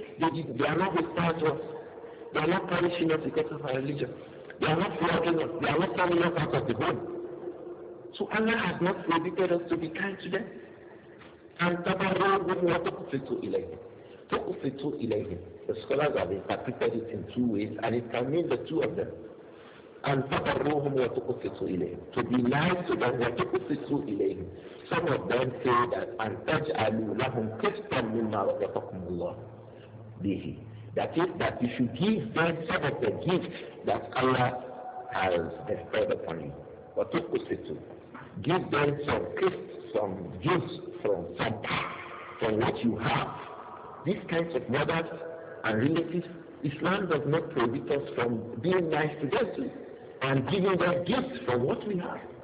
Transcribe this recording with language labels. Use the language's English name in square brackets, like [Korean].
[English] They are not hostile to us. They are not punishing us because of our religion. They are not flogging us. They are not coming us out of the home. So Allah has not prohibited us to be kind to them. And Tabarra'u'l-Mu'at-Tukufitu'ilayhim. The scholars have interpreted it in two ways, and it can mean the two of them. [Arabic] And تَبَرُّوهُمْ وَتُقْسِطُوا إِلَيْهِمْ. [English] To be nice to them, [Arabic] وَتُقْسِطُوا إِلَيْهِمْ. [English] Some of them say that [Arabic] أَنْ تَجْعَلُوا لَهُمْ قِسْطًا مِمَّا رَزَقَكُمُ اللَّهُ بِهِ. [English] That is, that you should give them some of the gift that Allah has bestowed upon you. [Arabic] وَتُقْسِطُوا. [English] Give them some gift, some juice from some part, from what you have. These kinds of mothers and relatives, Islam does not prohibit us from being nice to them too, and giving them gifts from what we have.